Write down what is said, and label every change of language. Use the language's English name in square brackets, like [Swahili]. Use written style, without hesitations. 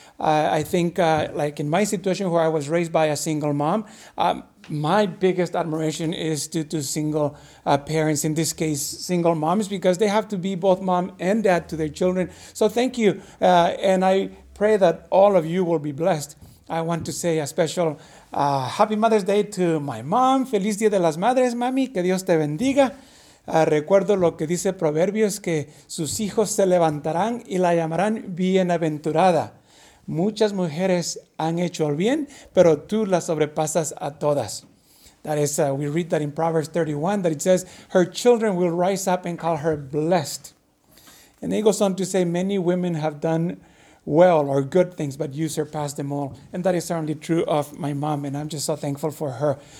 [English] I think like in my situation where I was raised by a single mom, my biggest admiration is due to single parents, in this case, single moms, because they have to be both mom and dad to their children. So thank you. And I pray that all of you will be blessed. I want to say a special happy Mother's Day to my mom. [Spanish] Feliz Día de las Madres, mami. Que Dios te bendiga. Recuerdo lo que dice Proverbios, que sus hijos se levantarán y la llamarán bienaventurada. Muchas mujeres han hecho el bien, pero tú la sobrepasas a todas. [English] That is, we read that in Proverbs 31, that it says, her children will rise up and call her blessed. And it goes on to say, many women have done well or good things, but you surpass them all. And that is certainly true of my mom, and I'm just so thankful for her.